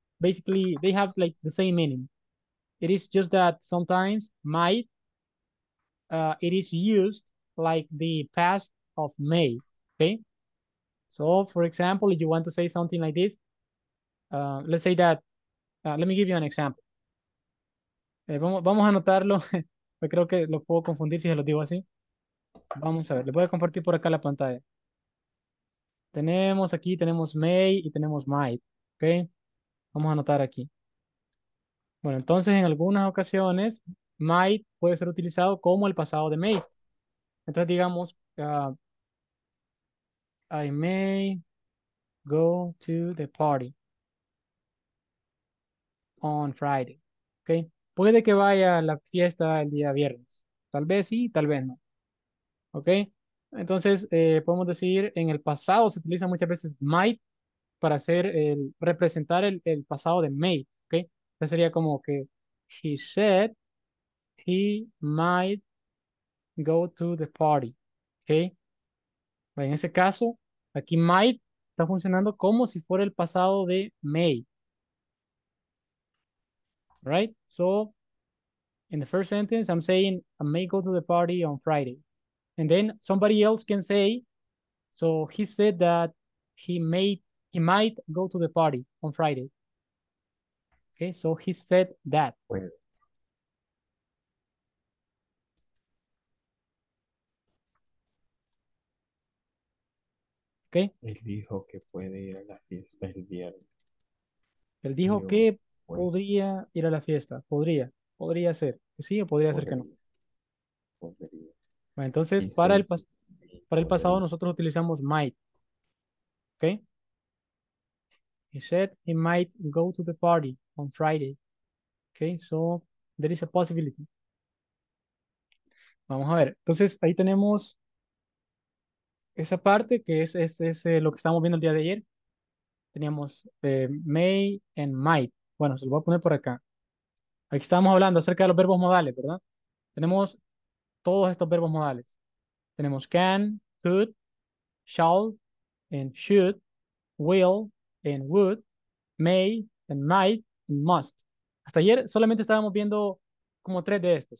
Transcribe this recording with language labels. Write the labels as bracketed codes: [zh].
[en] Basically, they have like the same meaning. It is just that sometimes might, it is used like the past of may, okay? So for example, if you want to say something like this, let's say that, let me give you an example. [es] Vamos a anotarlo, creo que lo puedo confundir si se lo digo así. Vamos a ver, le voy a compartir por acá la pantalla. Tenemos aquí, tenemos may y tenemos might, ¿ok? Vamos a anotar aquí. Bueno, entonces en algunas ocasiones, might puede ser utilizado como el pasado de may. Entonces digamos, [en] I may go to the party on Friday, ¿ok? [es] Puede que vaya a la fiesta el día viernes. Tal vez sí, tal vez no, ¿ok? Entonces, podemos decir, en el pasado se utiliza muchas veces might para hacer representar el pasado de may, ¿ok? Entonces sería como que [en] he said he might go to the party, ¿ok? [es] Bueno, en ese caso, aquí might está funcionando como si fuera el pasado de may. [en] Right? So, in the first sentence, I'm saying I may go to the party on Friday. And then somebody else can say, so he said that he might go to the party on Friday. Okay, so he said that. Okay. [es] Él dijo que puede ir a la fiesta el viernes. Él dijo Yo, que bueno. podría ir a la fiesta. Podría. Podría ser. ¿Sí o podría ser que no? Podría. Podría. Bueno, entonces, Dice si para el pasado podría. nosotros utilizamos might. Okay. [en] He said he might go to the party on Friday. Okay, so there is a possibility. [es] Vamos a ver. Entonces, ahí tenemos esa parte que es lo que estábamos viendo el día de ayer. Teníamos may and might. Bueno, se lo voy a poner por acá. Aquí estábamos hablando acerca de los verbos modales, ¿verdad? Tenemos todos estos verbos modales. Tenemos can, could, shall, and should, will, and would, may, and might, and must. Hasta ayer solamente estábamos viendo como tres de estos.